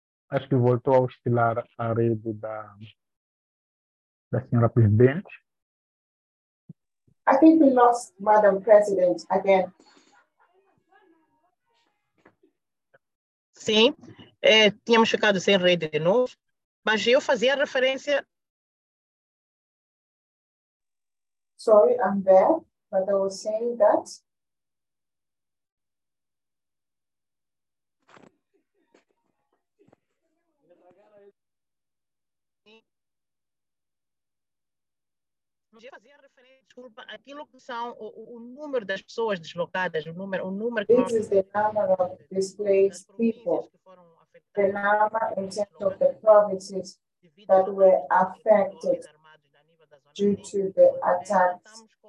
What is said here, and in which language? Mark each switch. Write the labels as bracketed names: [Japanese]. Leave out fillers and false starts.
[Portuguese] Acho que voltou a oscilar a rede da senhora presidente. [English] I think we lost Madam President again. [Portuguese] Sim, tínhamos ficado sem rede de novo, mas eu fazia referência. [English] Sorry, I'm there, but I was saying that. [Portuguese] Fazer referência, desculpa, aquilo que são o número das pessoas deslocadas, o número que... [English] This is the number of displaced people, the number in terms of the provinces that were affected due to the attacks.